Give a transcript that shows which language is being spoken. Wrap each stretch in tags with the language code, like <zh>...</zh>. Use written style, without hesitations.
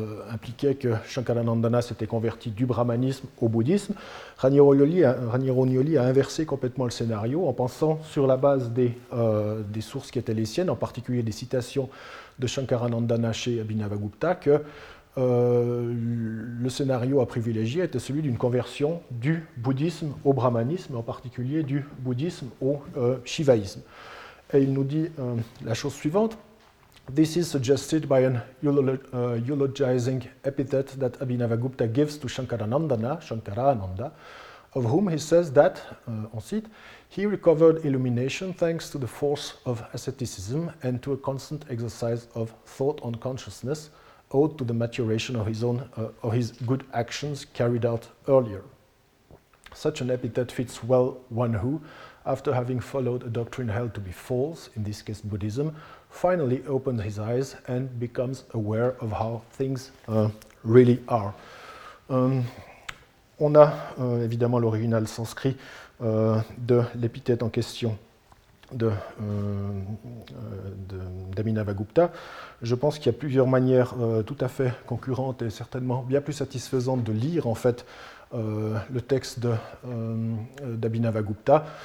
<fr>impliquaient que Shankaranandana s'était converti du brahmanisme au bouddhisme, Raniero Nioli a inversé complètement le scénario en pensant, sur la base des sources qui étaient les siennes, en particulier des citations de Shankaranandana chez Abhinavagupta, que le scénario à privilégier était celui d'une conversion du bouddhisme au brahmanisme, en particulier du bouddhisme au shivaïsme. Et il nous dit la chose suivante:</fr> <en>This is suggested by an eulogizing epithet that Abhinavagupta gives to Shankaranandana, Shankarananda, of whom he says that,</en> <fr>on cite,</fr> <en>he recovered illumination thanks to the force of asceticism and to a constant exercise of thought on consciousness owed to the maturation of his own of his good actions carried out earlier. Such an epithet fits well one who, after having followed a doctrine held to be false, in this case Buddhism, finally opens his eyes and becomes aware of how things really are.</en> <fr>On a évidemment l'original sanskrit de l'épithète en question d'Abhinavagupta. Je pense qu'il y a plusieurs manières tout à fait concurrentes et certainement bien plus satisfaisantes de lire en fait le texte d'Abhinavagupta.</fr>